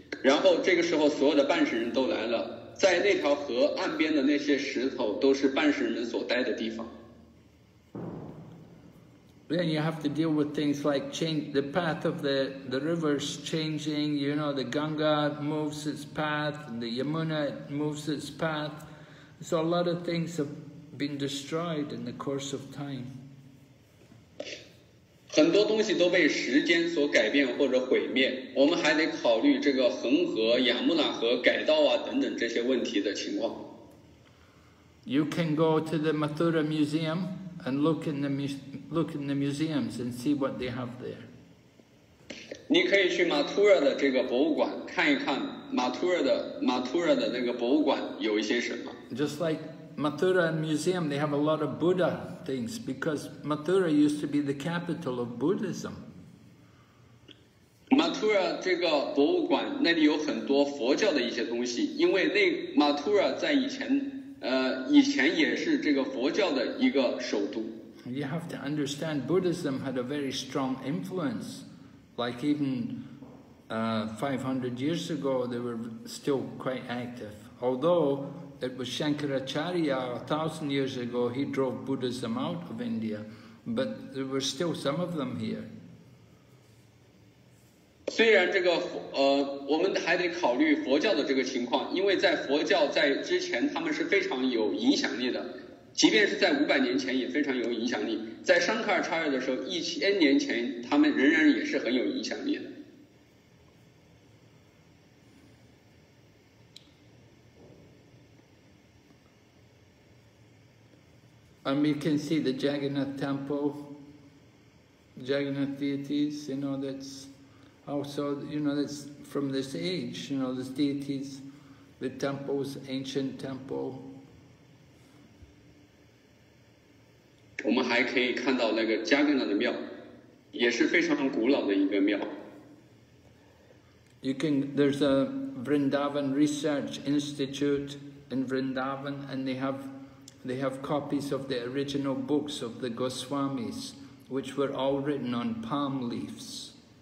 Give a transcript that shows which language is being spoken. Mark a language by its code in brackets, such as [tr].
[zh] 然后这个时候所有的半神人都来了，在那条河岸边的那些石头都是半神人们所待的地方。 [en] Then you have to deal with things like change the path of the rivers changing, you know, the Ganga moves its path, and the Yamuna moves its path. So a lot of things have been destroyed in the course of time. [zh] 很多东西都被时间所改变或者毁灭，我们还得考虑这个恒河、亚穆纳河改道啊等等这些问题的情况。 [en] You can go to the Mathura Museum and look in the museums and see what they have there. [zh] 你可以去马图尔的这个博物馆看一看马图尔的那个博物馆有一些什么。 [en] Just like Mathura Museum, they have a lot of Buddha things because Mathura used to be the capital of Buddhism. [zh] Mathura 这个博物馆那里有很多佛教的一些东西，因为那 Mathura 在以前也是这个佛教的一个首都。 [en] You have to understand Buddhism had a very strong influence. Like even 500 years ago, they were still quite active. Although it was Shankaracharya 1,000 years ago, he drove Buddhism out of India, but there were still some of them here. [zh] 虽然这个我们还得考虑佛教的这个情况，因为在佛教在之前他们是非常有影响力的，即便是在500年前也非常有影响力，在 Shankaracharya 的时候1000年前他们仍然也是很有影响力的。 [en] And we can see the Jagannath temple, Jagannath deities, you know, that's also, you know, that's from this age, you know, these deities, the temples, ancient temple. [zh] 我们还可以看到那个加格纳的庙，也是非常古老的一个庙。 [en] You can, there's a Vrindavan Research Institute in Vrindavan, and they have copies of the original books of the Goswamis, which were all written on palm leaves.